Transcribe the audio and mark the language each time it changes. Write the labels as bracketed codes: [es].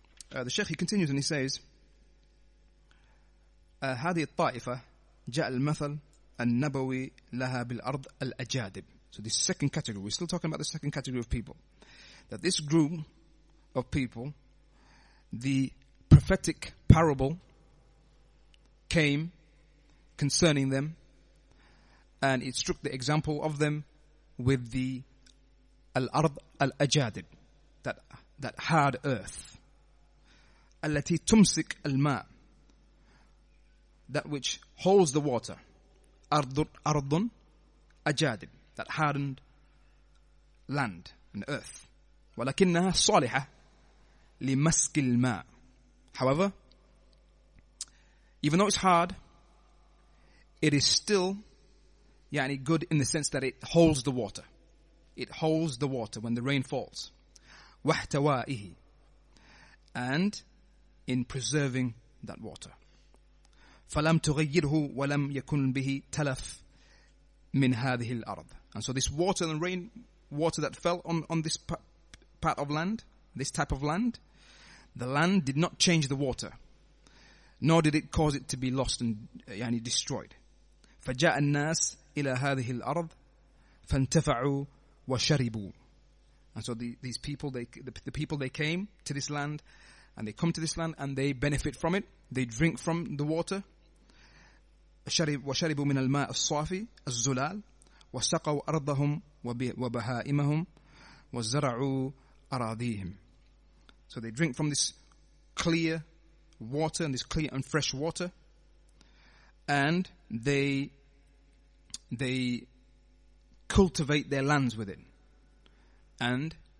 [en] The Sheikh, he continues and he says, [ar] هذه الطائفة جاء المثل النبوي لها بالأرض الأجادب. [en] So this second category, we're still talking about the second category of people. That this group of people, the prophetic parable came concerning them, and it struck the example of them with the [ar] al-ard al-ajadib, [en] that hard earth. [ar] التي تمسك الماء, [en] that which holds the water. [ar] أرضٌ أجادب, [en] that hardened land and earth. [ar] ولكنها صالحة لمسك الماء. [en] However, even though it's hard, it is still يعني good in the sense that it holds the water. It holds the water when the rain falls. [ar] واحتوائه, [en] and in preserving that water. [ar] فلم تغيره ولم يكن به تلف من هذه الأرض. [en] And so this water and rain, water that fell on this part of land, this type of land, the land did not change the water, nor did it cause it to be lost and yani destroyed. [ar] فجاء الناس إلى هذه الأرض فانتفعوا وشربوا. [en] And so the people they came to this land, and they come to this land and they benefit from it. They drink from the water. [ar] وشربوا من الماء الصافي الزلال وسقوا أرضهم وبهائمهم وزرعوا أراضيهم. [en] So they drink from this clear water and this clear and fresh water, and they cultivate their lands with it, and